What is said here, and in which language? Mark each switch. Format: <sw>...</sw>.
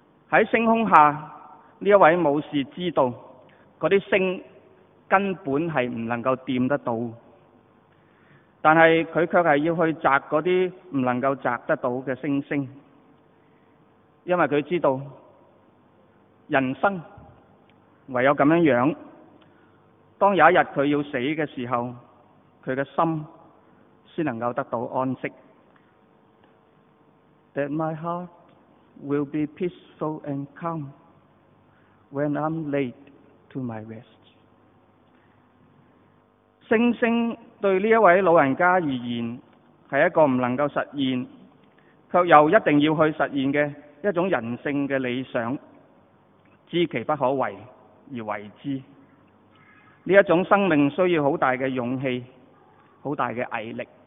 <zh>在星空下，这位武士知道那些星根本是不能够掂得到，但是他却是要去摘那些不能够摘得到的星星，因为他知道人生唯有这样，当有一天他要死的时候，他的心才能够得到安息。</zh> <en>that my heart will be peaceful and calm when I'm late to my rest.</en> <zh>星星对这位老人家而言是一个不能够实现却又一定要去实现的一种人性的理想，知其不可为而为之。这一种生命需要很大的勇气，很大的毅力。</zh>